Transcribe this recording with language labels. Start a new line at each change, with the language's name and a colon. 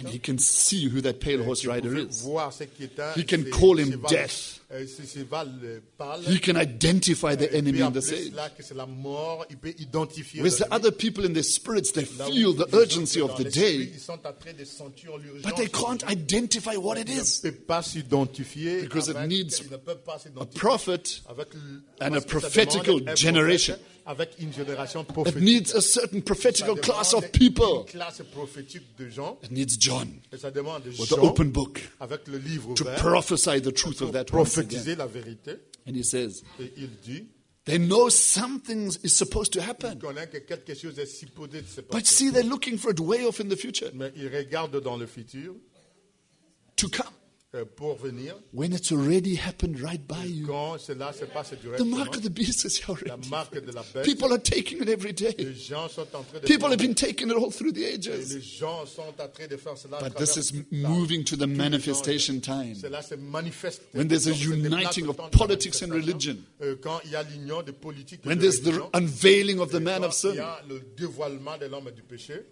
English: And he can see who that pale horse rider is.
French: Voir ce qui est un,
English: he can call him death.
French: Cheval,
English: he can identify the enemy in this age.
French: Là que c'est la mort, il peut identifier
English: with the other people in their spirits, they feel the urgency of the day.
French: Ils sont en train de sentir l'urgence,
English: but they can't identify what it is.
French: Ne peut pas s'identifier
English: because
French: avec,
English: it needs a prophet and a prophetical generation.
French: Avec une génération prophétique.
English: It needs a certain prophetical class of people.
French: Une classe prophétique de gens.
English: It needs John.
French: Et ça demande
English: with
French: Jean
English: the open book
French: avec le livre
English: to prophesy the truth of that
French: prophétiser la vérité.
English: And he says,
French: et il dit,
English: they know something is supposed to happen.
French: Ils connaissent que quelque chose est supposé de se passer.
English: But see, they're looking for it way off in the future.
French: Mais ils regardent dans le futur.
English: To come.
French: Pour venir.
English: When it's already happened right by you.
French: Quand cela se passe directement.
English: The mark of the beast is already.
French: La marque de la bête.
English: People are taking it every day.
French: Les gens sont en train de
English: people have been taking it all through the ages.
French: Et les gens sont en train de faire cela.
English: But this is moving to the manifestation time.
French: Cela se manifeste.
English: When there's a uniting of politics and religion.
French: Quand il y a l'union de politique.
English: When there's the unveiling of the man of sin.
French: Quand il y a le dévoilement de l'homme du péché.